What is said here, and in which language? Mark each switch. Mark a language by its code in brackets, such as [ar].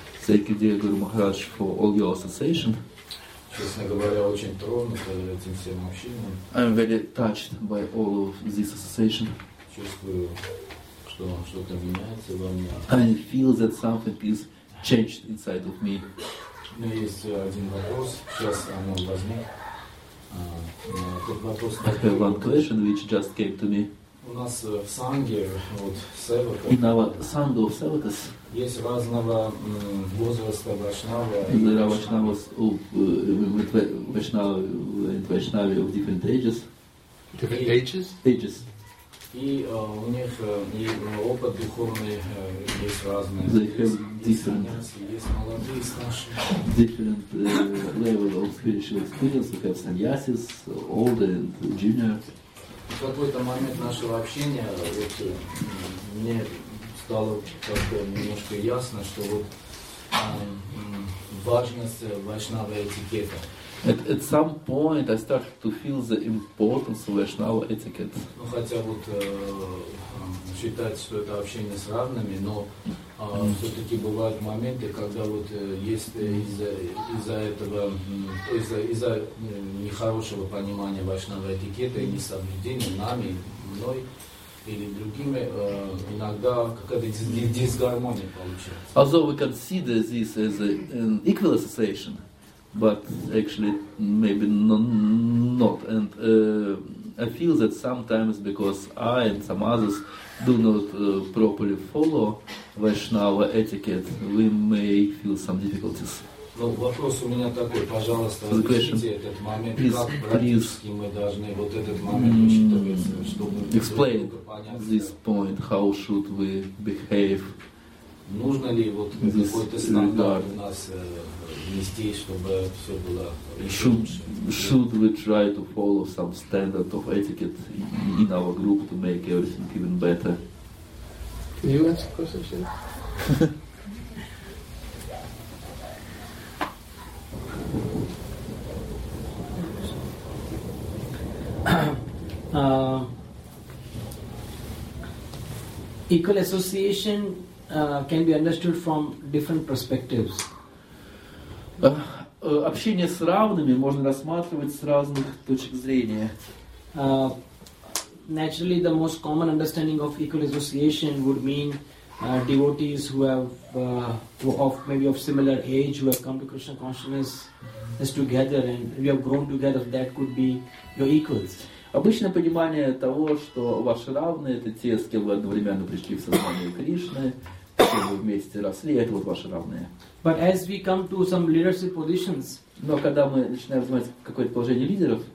[en] Thank you, dear Guru Maharaj, for all your association. [ru] Честно говоря, очень тронут этим всем общением. [en] I'm very touched by all of this association. [ru] Чувствую, что что-то меняется во мне. [en] I feel that something is changed inside of me. [ru] Но есть один вопрос, сейчас он возник. Тот вопрос, [en] I have one question which just came to me. [ru] У нас в Санге, вот Севака. [en] In our Sangha of Sevakas. [ru] Есть разного возраста вайшнава. [en] There are vaishnavas with vaishnava and vaishnavi of different ages. Different ages? Ages. [ru] И у них и опыт духовный есть разный. [en] They have different. [ru] Есть молодые старшие. [en] Different level of spiritual experience. We have sannyasis, older and junior. [ru] В какой-то момент нашего общения вот мне стало как-то немножко ясно, что вот важность вайшнава этикета. [en] At some point I started to feel the importance of vaishnava etiquette. [ru] Ну хотя вот считать, что это общение с равными, но все-таки бывают моменты, когда вот есть из-за этого, то есть из-за нехорошего понимания вайшнава этикета и несоблюдения нами, мной или другими, иногда какая-то дисгармония получается. [en] Although we consider this as an equal association, but actually maybe not. And I feel that sometimes because I and some others do not properly follow Vaishnava etiquette, we may feel some difficulties. [ru] Ну, вопрос у меня такой, пожалуйста, объясните этот момент, как практически мы должны вот этот момент учитывать, чтобы... [en] Explain this point, how should we behave. [ru] Нужно ли вот какой-то стандарт у нас внести, чтобы все было... [en] Should we try to follow some standard of etiquette in our group to make everything even better? Can you answer questions? Equal association can be understood from different perspectives. [ru] Общение с равными можно рассматривать с разных точек зрения. [en] Naturally, the most common understanding of equal association would mean devotees who have of similar age, who have come to Krishna consciousness as together, and we have grown together. That could be your equals. [ru] Обычное понимание того, что ваши равные, это те, с кем вы одновременно пришли в сознание Кришны, с кем вы вместе росли, это вот ваши равные. [en] But as we come to some leadership positions, [ru] но когда мы начинаем занимать какое-то положение лидеров,